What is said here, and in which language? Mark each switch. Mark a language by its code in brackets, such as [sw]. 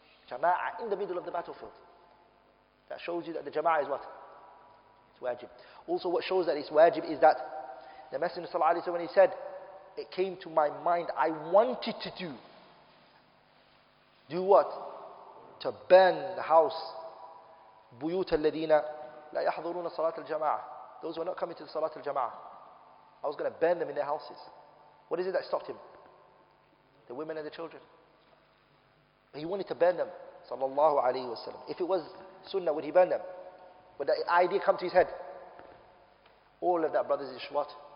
[en] Jama'ah in the middle of the battlefield. That shows you that the jama'ah is what? It's wajib. Also, what shows that it's wajib is that the Messenger sallallahu alayhi wa sallam, when he said, it came to my mind, I wanted to do what? To burn the house. [ar] بيوت الذين لا يحضرون صلاة الجماعة. [en] Those who are not coming to the Salat al-Jama'ah. I was going to burn them in their houses. What is it that stopped him? The women and the children. He wanted to burn them, sallallahu alayhi wa sallam. If it was sunnah, would he burn them? Would that idea come to his head? All of that, brothers, is what?